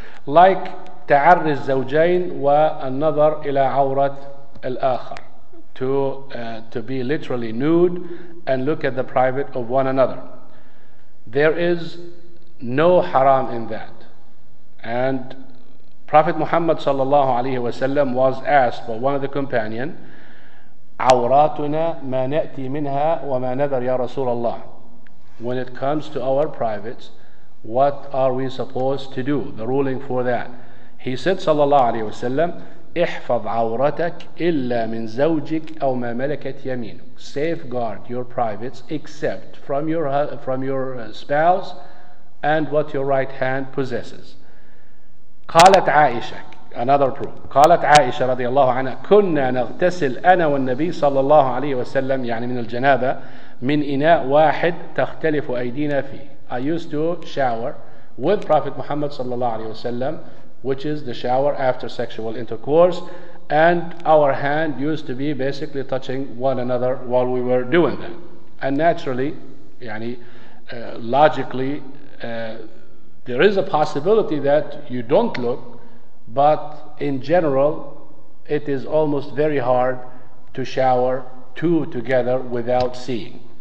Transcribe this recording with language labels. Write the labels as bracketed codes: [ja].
[en] Like [ar] تعري الزوجين والنظر إلى عورة الآخر. [en] To be literally nude and look at the private of one another. There is no haram in that. And Prophet Muhammad sallallahu alayhi wa sallam was asked by one of the companions, [ar] عَوْرَاتُنَا مَا نَأْتِي مِنْهَا وَمَا نَذَرْ يَا رَسُولَ اللَّهِ. [en] When it comes to our privates, what are we supposed to do? The ruling for that. He said [ar] sallallahu alayhi wa sallam, احفظ عورتك إلا من زوجك أو ما ملكت يمينك. [en] Safeguard your privates except from your spouse and what your right hand possesses. [ar] قالت عائشة, [en] another proof. [ar] قالت عائشة رضي الله عنها كنا نغتسل أنا والنبي صلى الله عليه وسلم يعني من الجنابة من إناء واحد تختلف أيدينا فيه. [en] I used to shower with Prophet Muhammad [ar] صلى الله عليه وسلم, [en] which is the shower after sexual intercourse, and our hand used to be basically touching one another while we were doing that. And naturally, [ar] يعني [en] logically, there is a possibility that you don't look, but in general, it is almost very hard to shower two together without seeing.